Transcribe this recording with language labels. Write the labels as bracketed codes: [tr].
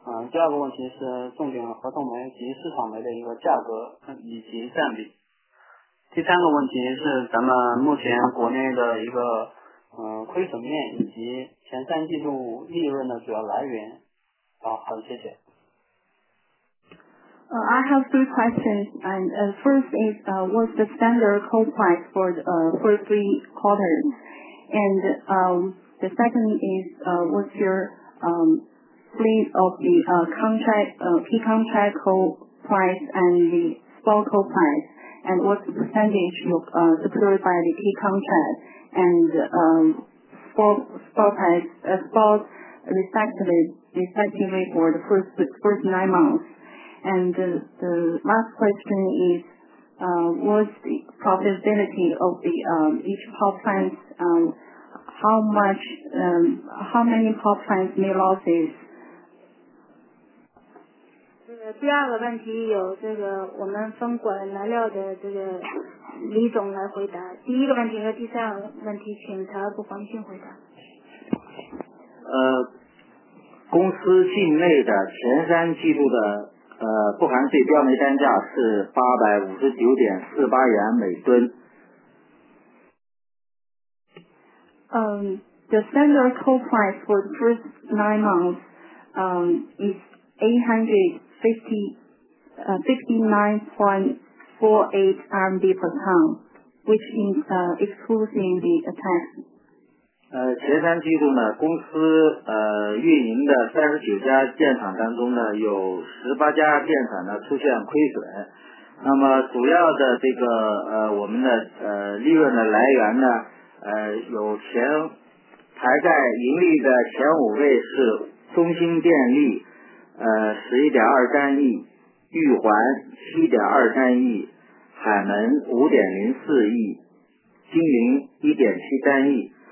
[zh] 第二个问题是重点合同煤及市场煤的一个价格以及占比。第三个问题是咱们目前国内的一个亏损面以及前三季度利润的主要来源。好，谢谢。 [en] I have three questions, and first is what's the standard coal price for the first three quarters, and the second is what's your split of the key contract coal price and the spot coal price, and what's the percentage of secured by the key contract and spot respectively for the first 9 months. And the last question is what's the profitability of the each power plant, how many power plants made losses? [zh] 第二个问题由这个我们分管燃料的这个李总来回答，第一个问题和第三个问题请财务部黄俊回答。公司境内的前三季度的不含税标煤单价是859.48元每吨。 [en] The standard coal price for the first 9 months is 859.48 RMB per ton, which is excluding the tax. [zh] 前三季度呢，公司运营的39家电厂当中呢，有18家电厂呢出现亏损。那么主要的这个我们的利润的来源呢，有前排在盈利的前五位是中兴电力11.23亿，玉环7.23亿，海门5.04亿，金陵1.73亿。